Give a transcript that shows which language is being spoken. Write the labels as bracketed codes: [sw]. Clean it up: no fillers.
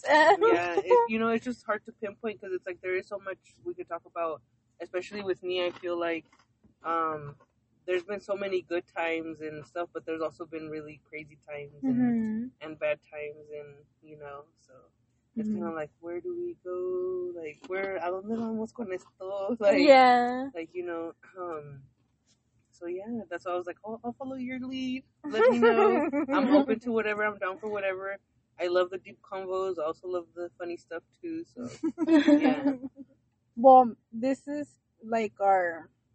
[en] So, it, you know, it's just hard to pinpoint, because it's like, there is so much we could talk about, especially with me. I feel like, there's been so many good times and stuff, but there's also been really crazy times and bad times, and, you know, so it's kind of like, where do we go? Like, where, [es] ¿a dónde vamos con esto? [en] Like, like, you know, so yeah, that's why I was like, oh, I'll follow your lead. Let me know. I'm open to whatever. I'm down for whatever. I love the deep convos. I also love the funny stuff too. So, Well, this is like our...